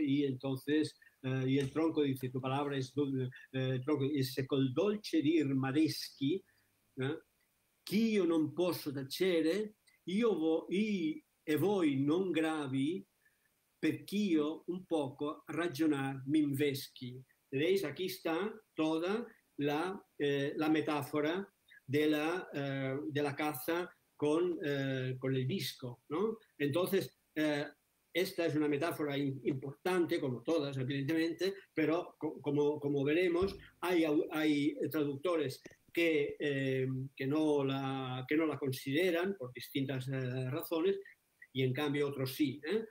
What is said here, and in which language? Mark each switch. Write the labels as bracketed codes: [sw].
[es] Y entonces y el tronco dice, tu palabra es tronco, y dice, [it] col dolce dir madeschi, [es] ¿no? [it] Chi io non posso tacere, io vo, i, e voi non gravi, perché io un poco ragionar m'inveschi. [es] Veis, aquí está toda la metáfora de la caza con el disco, ¿no? Entonces, esta es una metáfora importante, como todas, evidentemente, pero como veremos, hay traductores que no la consideran por distintas razones, y en cambio otros sí, ¿eh?